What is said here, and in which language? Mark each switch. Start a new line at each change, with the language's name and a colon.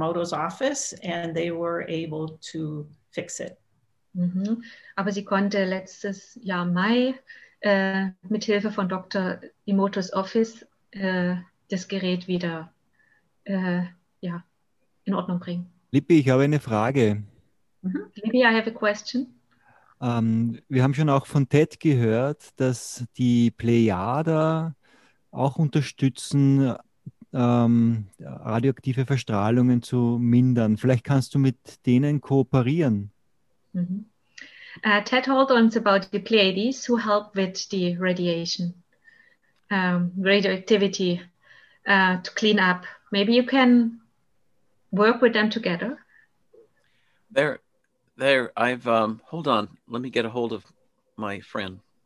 English: Moto's office and they were able to fix it. Mhm.
German: Aber sie konnte letztes Jahr Mai mit Hilfe von Dr. Imotos Office das Gerät wieder in Ordnung bringen. Lippi, ich habe eine Frage.
English: Mhm. Lippi, I have a question.
German: Wir haben schon auch von Ted gehört, dass die Plejada auch unterstützen, radioaktive Verstrahlungen zu mindern. Vielleicht kannst du mit denen kooperieren. Mhm.
English: Ted told us about the Pleiades who help with the radiation, radioactivity to clean up. Maybe you can work with them together. Hold on. Let me get a hold of my friend.